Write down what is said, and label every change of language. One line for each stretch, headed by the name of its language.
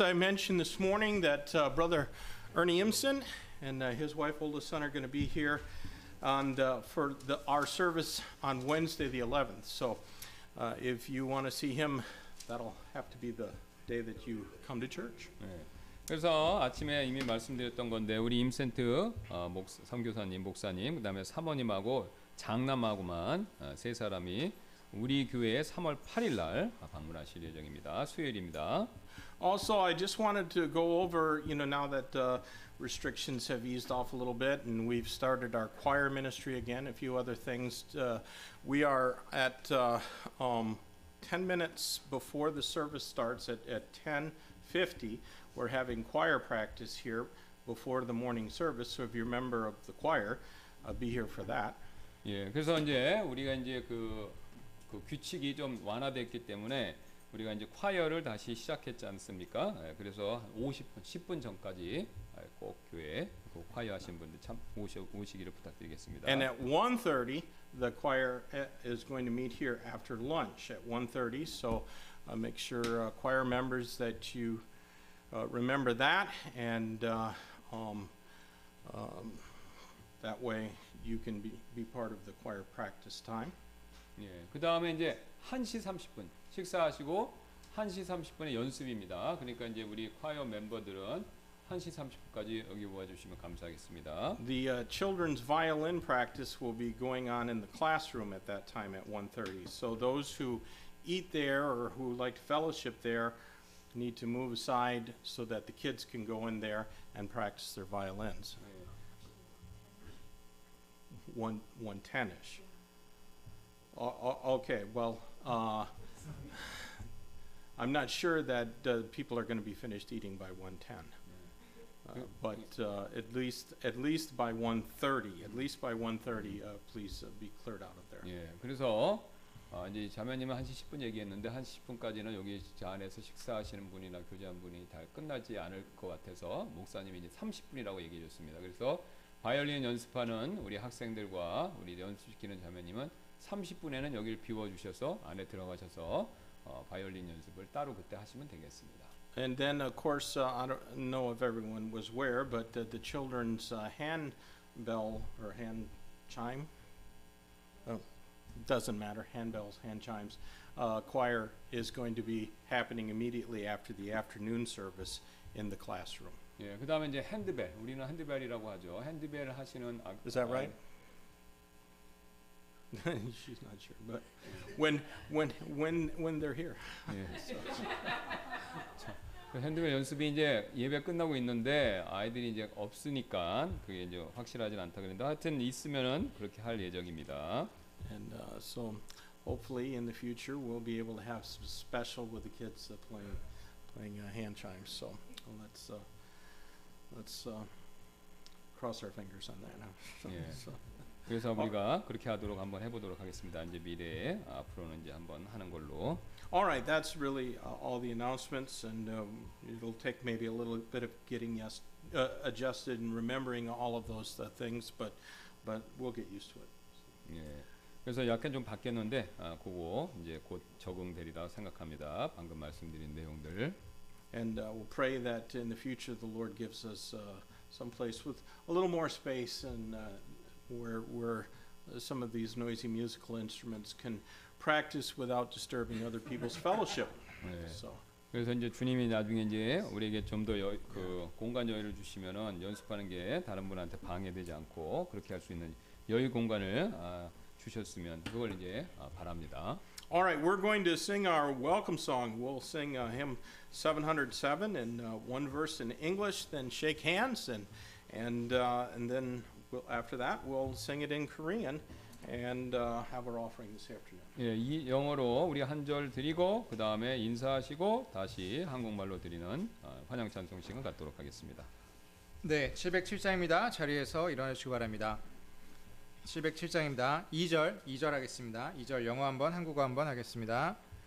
English: I mentioned this morning that Brother Ernie Imsen and his wife, oldest son, are going to be here on for our service on Wednesday the 11th. So if you want to see him, that'll have to be the day that you come to church.
Korean: 그래서 아침에 이미 말씀드렸던 건데 우리 임센트 선교사님, 목사님, 그다음에 사모님하고 장남하고만 세 사람이 우리 교회에 3월 8일 날 방문하실 예정입니다. 수요일입니다.
English: Also, I just wanted to go over, you know, now that restrictions have eased off a little bit and we've started our choir ministry again, a few other things. We are at 10 minutes before the service starts at 10:50. We're having choir practice here before the morning service. So if you're a member of the choir, be here for that.
Korean: 예, 그래서 이제 우리가 이제 그 규칙이 좀 완화됐기 때문에 우리가 이제 콰이어를 다시 시작했지 않습니까? 그래서 50분, 10분 전까지 꼭 교회에 그 콰이어 하신 분들 참 오시기를 부탁드리겠습니다.
English: And at 1:30, the choir is going to meet here after lunch at 1:30. So make sure choir members that you remember that, and that way you can be part of the choir practice time.
Korean: 예, 그 다음에 이제 1시 30분 식사하시고 1시 30분에 연습입니다. 그러니까 이제 우리 콰이어 멤버들은 1시 30분까지 여기 모아주시면 감사하겠습니다.
English: The children's violin practice will be going on in the classroom at that time at 1:30. So those who eat there or who like to fellowship there need to move aside so that the kids can go in there and practice their violins. 1:10-ish. Okay, well, I'm not sure that people are going to be finished eating by 1:10, but at least by 1:30, at least by 1:30, please be cleared out of there.
Korean: 예, 그래서 이제 자매님은 한 10분 얘기했는데 한 10분까지는 여기 안에서 식사하시는 분이나 교제한 분이 다 끝나지 않을 것 같아서 목사님이 이제 30분이라고 얘기해 줬습니다. 그래서 바이올린 연습하는 우리 학생들과 우리 연습시키는 자매님은 30분에는 여기를 비워주셔서 안에 들어가셔서 바이올린 연습을 따로 그때 하시면 되겠습니다.
English: And then, of course, I don't know if everyone was aware, but the children's hand bell or hand chime, doesn't matter, hand bells, hand chimes, choir is going to be happening immediately after the afternoon service in the classroom.
Korean: 예, 그다음에 이제 핸드벨, 우리는 핸드벨이라고 하죠. 핸드벨 하시는
English: Is that right? She's not sure, but when they're here.
Korean: 예. 자, 그 핸드벨 연습이 이제 예배 끝나고 있는데 아이들이 이제 없으니까 그게 이제 확실하진 않다 그런데 하여튼 있으면은 그렇게 할 예정입니다.
English: And so hopefully in the future we'll be able to have some special with the kids playing hand chimes. So let's cross our fingers on that.
Korean: 예. 그래서 우리가 그렇게 하도록 한번 해보도록 하겠습니다. 이제 미래에 앞으로는 이제 한번 하는 걸로.
English: All right, that's really all the announcements, and it'll take maybe a little bit of getting adjusted and remembering all of those things, but we'll get used to it.
Korean: 예. 그래서 약간 좀 바뀌었는데 그거 이제 곧 적응되리라 생각합니다. 방금 말씀드린 내용들.
English: And we'll pray that in the future the Lord gives us some place with a little more space and where some of these noisy musical instruments can practice without disturbing other people's fellowship.
Korean: 네.
English: So.
Korean: 그래서 이제 주님이 나중에 이제 우리에게 좀 더 그 공간 여유를 주시면은 연습하는 게 다른 분한테 방해되지 않고 그렇게 할 수 있는 여유 공간을 주셨으면 그걸 이제 바랍니다.
English: All right, we're going to sing our welcome song. We'll sing hymn 707 and one verse in English, then shake hands, and then we'll, after that, we'll sing it in Korean and have our offering this afternoon.
Korean: 예, 이 영어로 우리 한 절 드리고 그 다음에 인사하시고 다시 한국말로 드리는 환영 찬송 시간 갖도록 하겠습니다. 네, 707장입니다. 자리에서 일어나시기 바랍니다. 707장입니다. 2절, 2절 하겠습니다. 2절 영어 한번, 한국어 한번 하겠습니다.